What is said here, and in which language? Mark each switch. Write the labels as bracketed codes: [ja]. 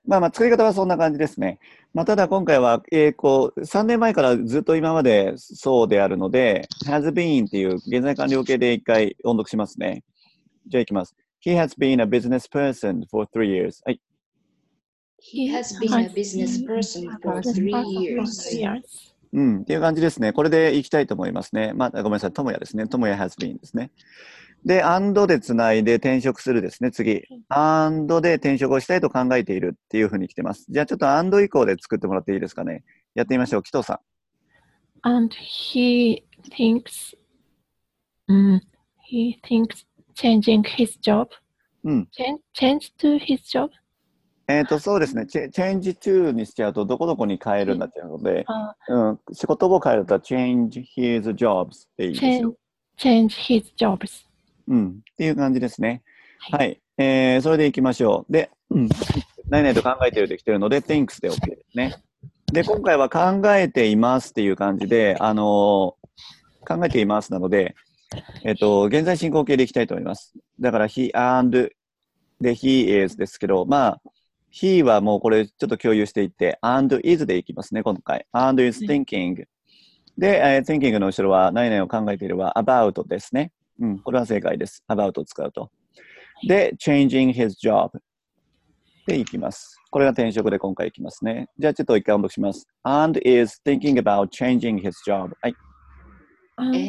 [ja] まあまあ、作り方はそんな感じですね。まあ、ただ今回は、こう、3年前からずっと今までそうであるので、 [en] has been [ja] っていう現在完了形で一回音読しますね。じゃあいきます。 [en] He has been a business person for 3 years. [ja] はい。 [en] He has been a business person for 3 years. [ja] うん、っていう感じですね。これでいきたいと思いますね。まあ、ごめんなさい、ともやですね。ともや [en] has been [ja] ですね。で、アンドでつないで転職するですね、次。アンドで転職をしたいと考えているっていうふうに来てます。じゃあちょっとアンド以降で作ってもらっていいですかね。やってみましょう、紀藤さん。 [en] And he thinks,、he thinks changing his job.、うん、change to his job? [ja] そうですね、change to にしちゃうとどこどこに変えるんだっていうので、仕事を変えると [en] change his jobs [ja] っていいですよ。 [en] change his jobs. [ja] うん、っていう感じですね。はい。はい、それでいきましょう。で、ないないと考えてるできてるので、thinks で OK ですね。で、今回は考えていますっていう感じで、考えていますなので、現在進行形でいきたいと思います。だから、he and で he is ですけど、まあ、he はもうこれちょっと共有していって、and is でいきますね、今回。 [en] and is thinking、 [ja] はい。で、thinking の後ろは、ないないを考えているは about ですね。うん、これは正解です。about を使うと。で、 [en] changing his job。 [ja] で、いきます。これが転職で今回いきますね。じゃあ、ちょっと一回音読します。 [en] and is thinking about changing his job. はい。